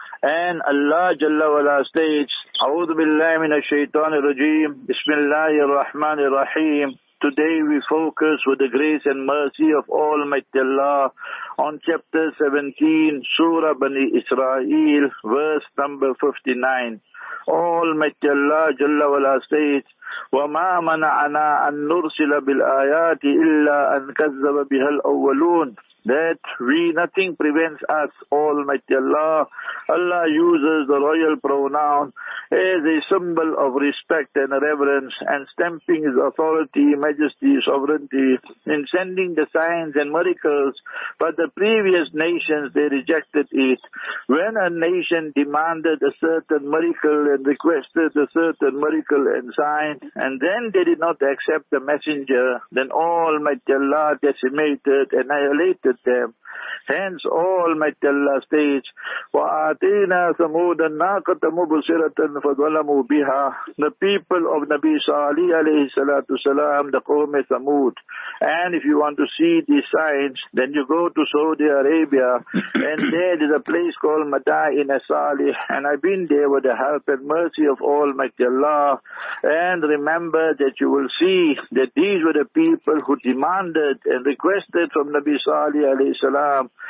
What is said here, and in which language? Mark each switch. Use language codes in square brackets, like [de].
[en] And Allah Jalla Wala states, A'udhu Billahi Minash Shaitan Rajeem, Bismillahir Rahmanir Rahim. Today we focus with the grace and mercy of Almighty Allah on chapter 17, Surah Bani Israel, verse number 59. Almighty Allah Jalla Wala states, [ar] وَمَا مَنَعَنَا أَن نُرْسِلَ بِالْآيَاتِ إِلَّا أَن كَذَّبَ بِهَا الْأَوَّلُونَ. [en] That we, nothing prevents us, Almighty Allah. Allah uses the royal pronoun as a symbol of respect and reverence and stamping his authority, majesty, sovereignty in sending the signs and miracles. But the previous nations, they rejected it. When a nation demanded a certain miracle and requested a certain miracle and sign, and then they did not accept the messenger, then Almighty Allah decimated, annihilated them. Hence, Almighty Allah states, [ar] وَآتِيْنَا ثَمُودَ النَّاقَةَ مُبْصِرَةً فَظَلَمُوا بِهَا. [en] The people of Nabi Salih alayhi salatu salam, the Qawm-e Thamud. And if you want to see these signs, then you go to Saudi Arabia, and there is a place called Madain al-Salih, and I've been there with the help and mercy of Almighty Allah. And remember that you will see that these were the people who demanded and requested from Nabi Salih alayhi salam